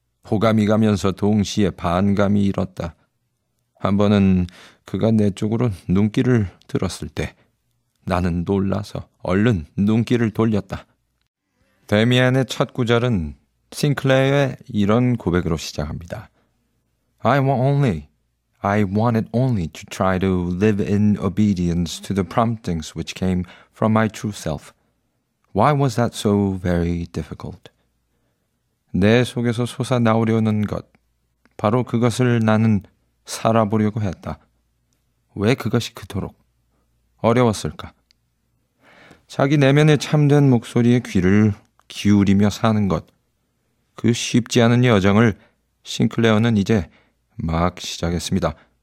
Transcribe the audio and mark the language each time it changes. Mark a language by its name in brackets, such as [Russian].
[Korean] 호감이 가면서 동시에 반감이 일었다. 한 번은 그가 내 쪽으로 눈길을 들었을 때 나는 놀라서 얼른 눈길을 돌렸다. 데미안의 첫 구절은 싱클레어의 이런 고백으로 시작합니다. [English] I wanted only to try to live in obedience to the promptings which came from my true self. Why was that so very difficult? [Korean] 내 속에서 솟아나오려는 것, 바로 그것을 나는 살아보려고 했다. 왜 그것이 그토록 어려웠을까? 자기 내면의 참된 목소리에 귀를 기울이며 사는 것, 그 쉽지 않은 여정을 싱클레어는 이제 막 시작했습니다.